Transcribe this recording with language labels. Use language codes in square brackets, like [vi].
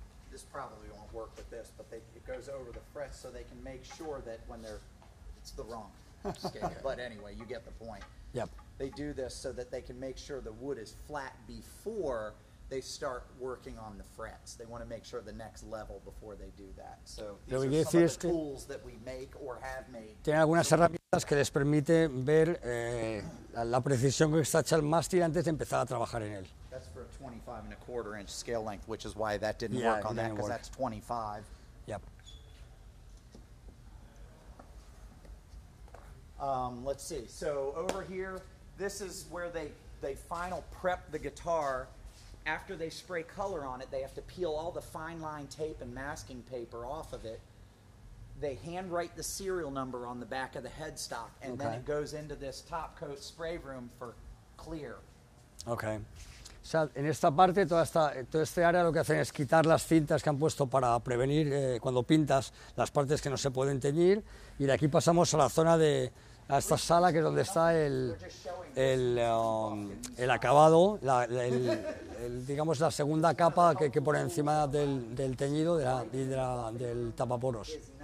[en] This probably won't work with this, but it goes over the fret so they can make sure that when it's the wrong scale. But anyway, you get the point. Yep. They do this so that they can make sure the wood is flat before they start working on the frets. They want to make sure the next level before they do that. So these are some of the tools that we make or have made. [es] Tienen algunas herramientas que les permite ver la precisión que está hecha el mástil antes de empezar a trabajar en él. [en] That's for a 25 and a quarter inch scale length, which is why that didn't work on that, because that's 25. Yep. Let's see. So over here, this is where they final prep the guitar. After they spray color on it, they have to peel all the fine line tape and masking paper off of it. They handwrite the serial number on the back of the headstock, and then it goes into this top coat spray room for clear. Okay. [es] O sea, en esta parte, todo este área lo que hacen es quitar las cintas que han puesto para prevenir cuando pintas las partes que no se pueden teñir. Y de aquí pasamos a la zona a esta sala que es donde está el acabado, digamos la segunda capa que pone encima del teñido del tapaporos.